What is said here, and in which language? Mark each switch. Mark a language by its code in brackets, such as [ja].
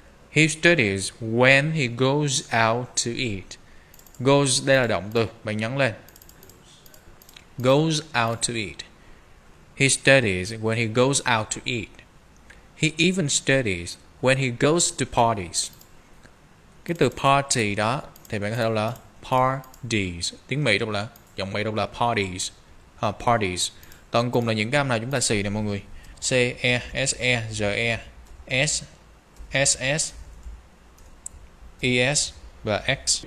[en] He studies when he goes out to eat. [vi] Goes, đây là động từ, bạn nhấn lên. [en] Goes out to eat. He studies when he goes out to eat. He even studies when he goes to parties. [vi] Cái từ party đó, thì bạn có thể đọc là parties. Tiếng Mỹ đọc là, giọng Mỹ đọc là parties. Parties. Tổng cùng là những cái âm nào chúng ta xì nè mọi người. C, E, S, E, G, E, S, S, S, E, S và X.